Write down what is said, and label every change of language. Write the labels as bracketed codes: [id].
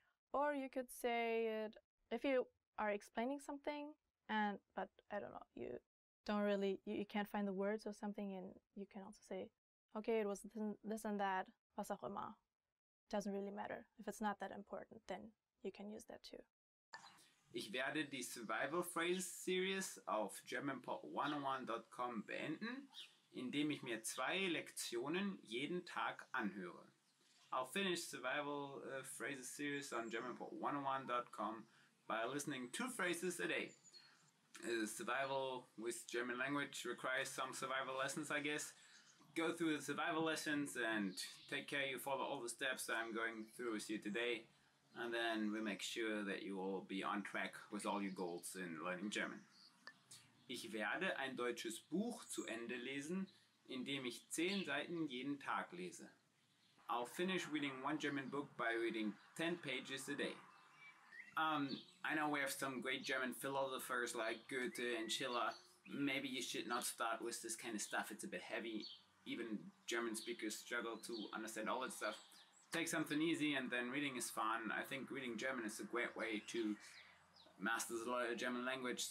[en] Or you could say it if you are explaining something and, but I don't know, you don't really, you can't find the words or something, and you can also say, okay, it was this and that, [de] was auch immer, [en] doesn't really matter. If it's not that important, then you can use that too. [de] Ich werde die Survival Phrase Series auf germanpod101.com beenden, indem ich mir zwei Lektionen jeden Tag anhöre. [en] I'll finish Survival Phrases Series on GermanPod101.com by listening two phrases a day. Survival with German language requires some survival lessons, I guess. Go through the survival lessons and take care you follow all the steps that I'm going through with you today. And then we make sure that you will be on track with all your goals in learning German. [de] Ich werde ein deutsches Buch zu Ende lesen, indem ich 10 Seiten jeden Tag lese. [en] I'll finish reading one German book by reading 10 pages a day. I know we have some great German philosophers like Goethe and Schiller. Maybe you should not start with this kind of stuff. It's a bit heavy. Even German speakers struggle to understand all that stuff. Take something easy, and then reading is fun. I think reading German is a great way to master the German language.